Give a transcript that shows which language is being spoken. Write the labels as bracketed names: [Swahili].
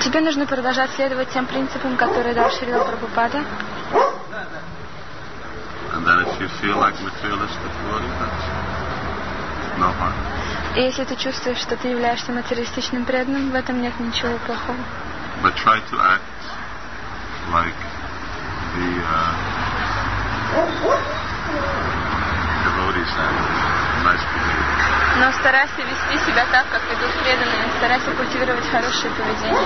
[Russian] Тебе нужно продолжать следовать тем принципам, которые дал Шрила Прабхупада. [English] And then if you feel like materialistic devotee, that's no harm. [Russian] И если ты чувствуешь, что ты являешься материалистичным преданным, в этом нет ничего плохого. [English] But try to act like the devotees and nice people. [Russian] Но старайся вести себя так, как идут преданные. Старайся культивировать хорошее поведение.